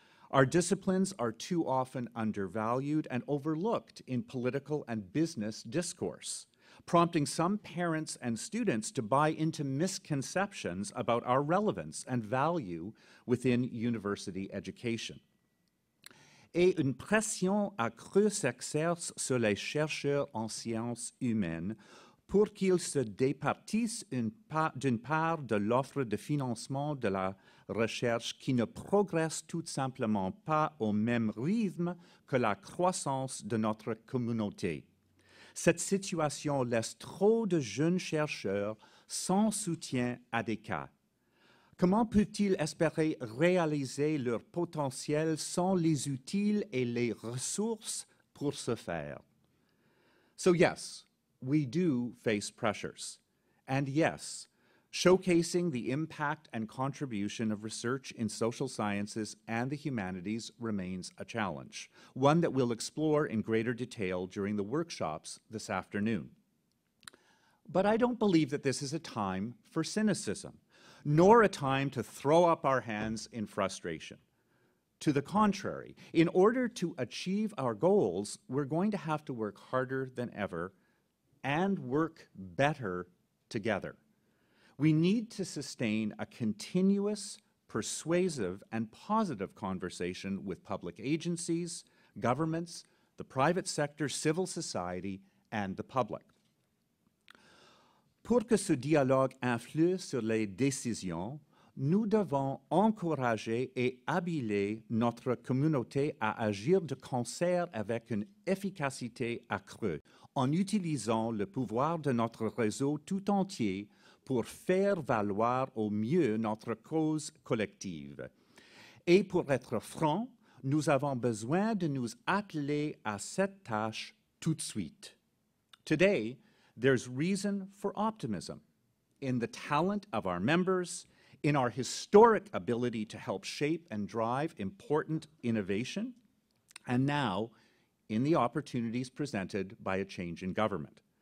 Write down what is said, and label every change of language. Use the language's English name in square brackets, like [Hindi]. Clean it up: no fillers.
[English] Our disciplines are too often undervalued and overlooked in political and business discourse, prompting some parents and students to buy into misconceptions about our relevance and value within university education. [French] Et une pression accrue s'exerce sur les chercheurs en sciences humaines pour qu'ils se départissent d'une part de l'offre de financement de la recherche qui ne progresse tout simplement pas au même rythme que la croissance de notre communauté. Cette situation laisse trop de jeunes chercheurs sans soutien adéquat. Comment peut-il espérer réaliser leur potentiel sans les outils et les ressources pour ce faire? [English] So yes, we do face pressures. And yes, showcasing the impact and contribution of research in social sciences and the humanities remains a challenge, one that we'll explore in greater detail during the workshops this afternoon. But I don't believe that this is a time for cynicism, nor a time to throw up our hands in frustration. To the contrary, in order to achieve our goals, we're going to have to work harder than ever and work better together. We need to sustain a continuous, persuasive, and positive conversation with public agencies, governments, the private sector, civil society, and the public. [French] Pour que ce dialogue influe sur les décisions, nous devons encourager et habiliter notre communauté à agir de concert avec une efficacité accrue, en utilisant le pouvoir de notre réseau tout entier pour faire valoir au mieux notre cause collective. Et pour être franc, nous avons besoin de nous atteler à cette tâche tout de suite. [English] Today, there's reason for optimism in the talent of our members, in our historic ability to help shape and drive important innovation, and now in the opportunities presented by a change in government.